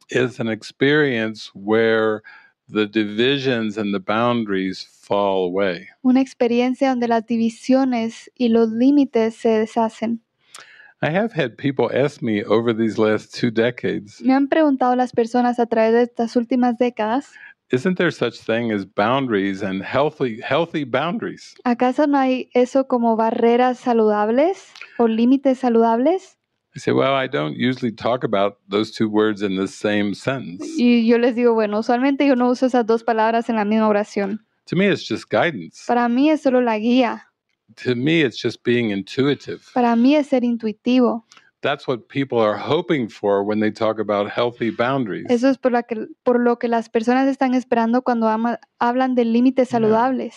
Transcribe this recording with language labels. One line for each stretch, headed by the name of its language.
English: It's an experience where the divisions and the boundaries fall away.
Spanish: Una experiencia donde las divisiones y los límites se deshacen.
English: I have had people ask me over these last two decades.
Spanish: Me han preguntado las personas a través de estas últimas décadas.
English: Isn't there such thing as boundaries and healthy boundaries?
Spanish: ¿Acaso no hay eso como barreras saludables o límites saludables?
English: I say, well, I don't usually talk about those two words in the same sentence.
Spanish: Y yo les digo, bueno, usualmente yo no uso esas dos palabras en la misma oración.
English: To me, it's just guidance.
Spanish: Para mí es solo la guía.
English: To me, it's just being intuitive.
Spanish: Para mí es ser intuitivo.
English: That's what people are hoping for when they talk about healthy boundaries.
Spanish: Eso es por lo que las personas están esperando cuando hablan de límites saludables.